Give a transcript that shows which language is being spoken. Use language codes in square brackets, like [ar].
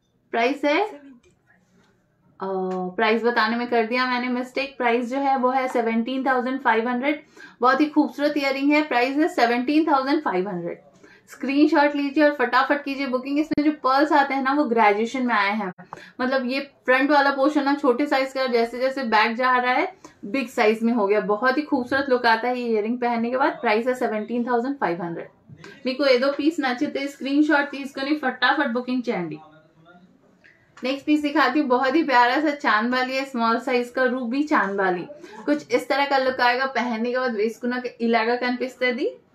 [hi] Price है price बताने में कर दिया मैंने मिस्टेक, प्राइस जो है वो है 17500, बहुत ही खूबसूरत इयररिंग है, प्राइस है 17500, स्क्रीनशॉट लीजिए और फटाफट कीजिए बुकिंग। इसमें जो पर्ल्स आते हैं ना वो ग्रेजुएशन में आए हैं, मतलब ये फ्रंट वाला पोर्शन ना छोटे साइज का जैसे जैसे बैक जा रहा है बिग साइज में हो गया, बहुत ही खूबसूरत लुक आता है ये इयररिंग पहनने के बाद। प्राइस है 17500। [te] మీకు ఏదో పీస్ నచ్చితే స్క్రీన్ షాట్ తీసుకుని ఫటాఫట్ బుకింగ్ చేయండి. [hi] नेक्स्ट पीस दिखाती हूँ, बहुत ही प्यारा सा चांद बाली है, स्मॉल साइज का रूबी चांद बाली. कुछ इस तरह का लुक आएगा पहनने के बाद, [te] वेसकुना के इलागा कनिपिस्तदी.